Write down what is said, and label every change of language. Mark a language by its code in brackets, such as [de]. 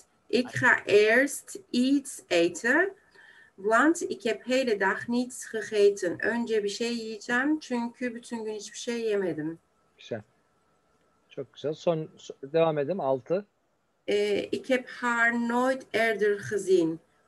[nl] Ik ga eerst iets eten, want ik heb hele dag niets gegeten. [tr] Önce bir şey yiyeceğim çünkü bütün gün hiçbir şey yemedim. Güzel. Çok güzel. Devam edelim. 6. [nl] Ik heb haar nooit eerder gezien.